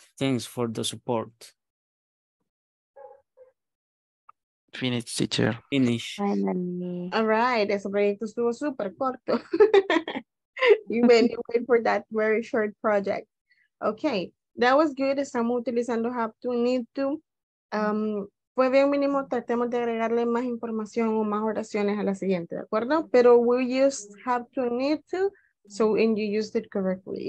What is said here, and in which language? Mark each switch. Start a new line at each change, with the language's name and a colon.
English: Thanks for the support. Finish, teacher. Finish. Finally. All right,
Spanish: ese proyecto estuvo super corto.
English: You made me wait for that very short project. Okay, that was good.
Spanish: Estamos utilizando
English: have to, need to.
Spanish: Fue bien mínimo, tratemos de agregarle más información o más oraciones a la siguiente, ¿de acuerdo? Pero
English: we used have to, need to, so and you used it correctly.